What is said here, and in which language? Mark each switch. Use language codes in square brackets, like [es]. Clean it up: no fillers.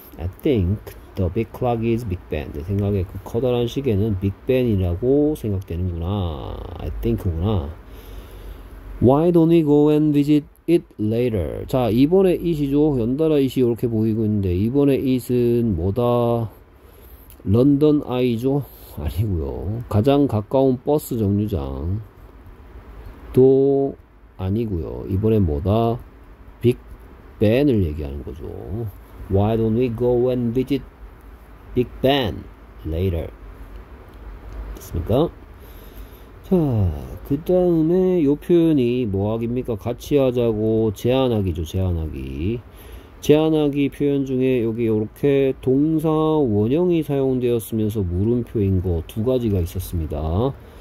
[en] I think the big clock is Big Ben. [ko] 내 생각에 그 커다란 시계는 Big Ben이라고 생각되는구나. I think구나. [en] Why don't we go and visit it later? [ko] 자, 이번에 it이죠. 연달아 it이 이렇게 보이고 있는데, 이번에 it은 뭐다? 런던 아이죠? 아니고요. 가장 가까운 버스 정류장. 또, 아니고요. 이번엔 뭐다? 벤을 얘기하는 거죠. [en] Why don't we go and visit Big Ben later? [ko] 됐습니까? 자, 그 다음에 요 표현이 뭐 하기입니까? 같이 하자고 제안하기죠. 제안하기. 제안하기 표현 중에 여기 이렇게 동사 원형이 사용되었으면서 물음표인 거두 가지가 있었습니다.